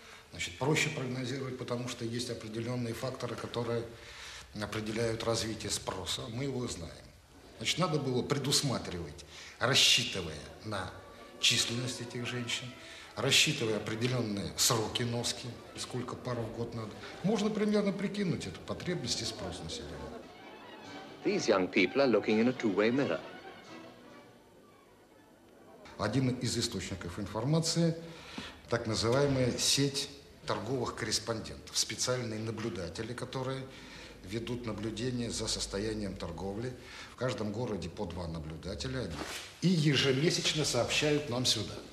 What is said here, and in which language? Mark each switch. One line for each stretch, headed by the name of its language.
Russian: Значит, проще прогнозировать, потому что есть определенные факторы, которые определяют развитие спроса. Мы его знаем. Значит, надо было предусматривать, рассчитывая на численность этих женщин, рассчитывая определенные сроки носки, сколько пар в год надо. Можно примерно прикинуть эту потребность и спрос на себя.
English: These young people are looking in a two-way mirror.
Russian: Один из источников информации – так называемая сеть торговых корреспондентов, специальные наблюдатели, которые ведут наблюдение за состоянием торговли. В каждом городе по два наблюдателя и ежемесячно сообщают нам сюда.